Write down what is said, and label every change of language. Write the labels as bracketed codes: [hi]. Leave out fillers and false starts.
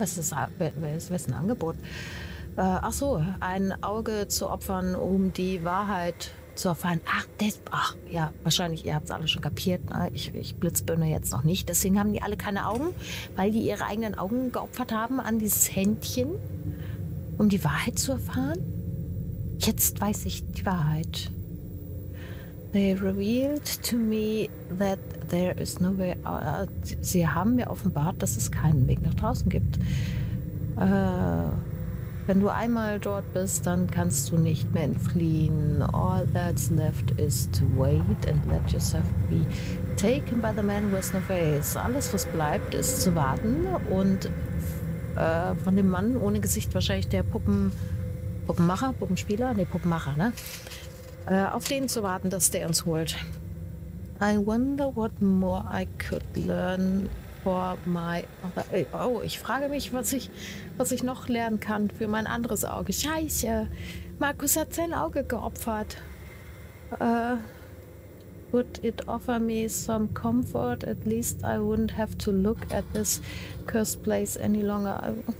[de] Wessen Angebot? Ein Auge zu opfern, um die Wahrheit zu erfahren. Ja, wahrscheinlich, ihr habt es alle schon kapiert. Ne? Ich blitzbirne jetzt noch nicht. Deswegen haben die alle keine Augen, weil die ihre eigenen Augen geopfert haben an dieses Händchen, um die Wahrheit zu erfahren. Jetzt weiß ich die Wahrheit. [en] They revealed to me that there is no way out. [de] Sie haben mir offenbart, dass es keinen Weg nach draußen gibt. Wenn du einmal dort bist, dann kannst du nicht mehr entfliehen. [en] All that's left is to wait and let yourself be taken by the man with no face. [de] Alles, was bleibt, ist zu warten und von dem Mann ohne Gesicht, wahrscheinlich der Puppenmacher, ne? Auf den zu warten, dass der uns holt. [en] I wonder what more I could learn for my other... [de] Oh, ich frage mich, was ich noch lernen kann für mein anderes Auge. Scheiße, Markus hat sein Auge geopfert. [en] Would it offer me some comfort? At least I wouldn't have to look at this cursed place any longer.